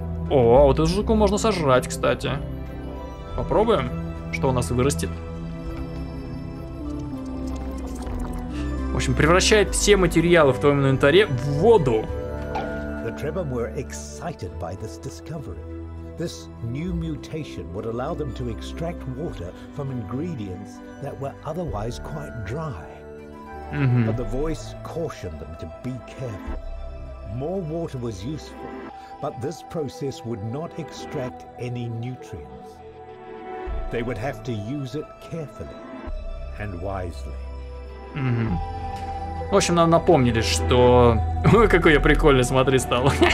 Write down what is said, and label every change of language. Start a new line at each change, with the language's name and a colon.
Russian: О, вот эту штуку можно сожрать, кстати. Попробуем, что у нас вырастет. В общем, превращает все материалы в твоем инвентаре в воду.
English: The Trebon were excited by this discovery. This new mutation would allow them to extract water from ingredients that were otherwise quite dry. But the voice cautioned them to be careful. More water was useful. But this process would not extract any nutrients. They would have to use it carefully and wisely.
Russian: В общем, нам напомнили, что... Ой, какой я прикольный, смотри, стал.